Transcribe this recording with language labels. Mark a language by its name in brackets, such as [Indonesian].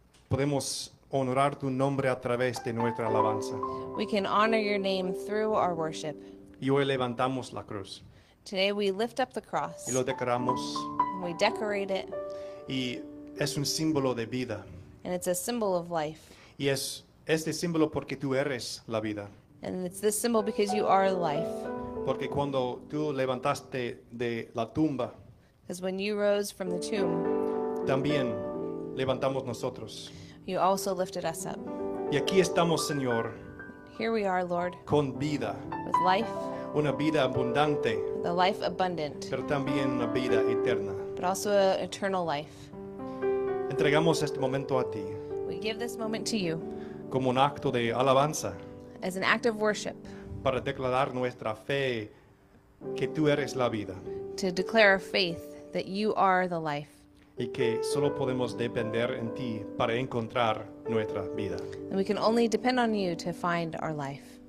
[Spanish] Podemos honrar tu nombre a través de nuestra alabanza. [English] We can honor your name through our worship. [Spanish] Y hoy levantamos la cruz. [English] Today we lift up the cross. [Spanish] Y lo decoramos. [English] And we decorate it. [Spanish] Y es un símbolo de vida. [English] And it's a symbol of life. [Spanish] Y es este símbolo porque tú eres la vida. [English] And it's this symbol because you are life. [Spanish] Porque cuando tú levantaste de la tumba. [English] Because when you rose from the tomb. [Spanish] También levantamos nosotros. [English] You also lifted us up. [Spanish] Y aquí estamos, Señor. [English] Here we are, Lord. [Spanish] Con vida. [English] With life. [Spanish] Una vida abundante. [English] The life abundant. [Spanish] Pero también una vida eterna. [English] But also an eternal life. [Spanish] Entregamos este momento a ti. [English] We give this moment to you. [Spanish] Como un acto de alabanza. [English] As an act of worship. [Spanish] Para declarar nuestra fe que tú eres la vida. [English] To declare our faith that you are the life. [Spanish] Y que solo podemos depender en ti para encontrar nuestra vida. [English] And we can only depend on you to find our life.